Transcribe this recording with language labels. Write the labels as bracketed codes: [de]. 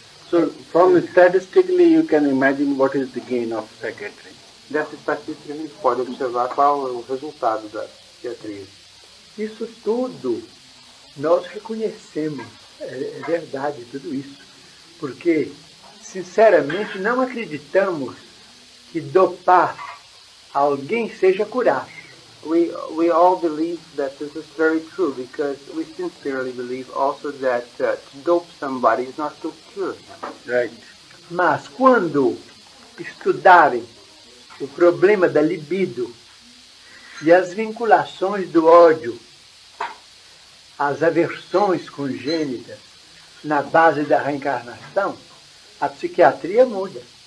[en] So, from statistically, you can imagine what is the gain of psychiatry. [pt] Dessa estatística, a gente pode observar qual é o resultado da psiquiatria. Isso tudo, nós reconhecemos, é verdade tudo isso, porque, sinceramente, não acreditamos que dopar alguém seja curar. [en] We all believe that this is very true, because we sincerely believe also that to dope somebody is not to cure them. Right. [pt] Mas quando estudarem o problema da libido e as vinculações do ódio, as aversões congênitas na base da reencarnação, a psiquiatria muda.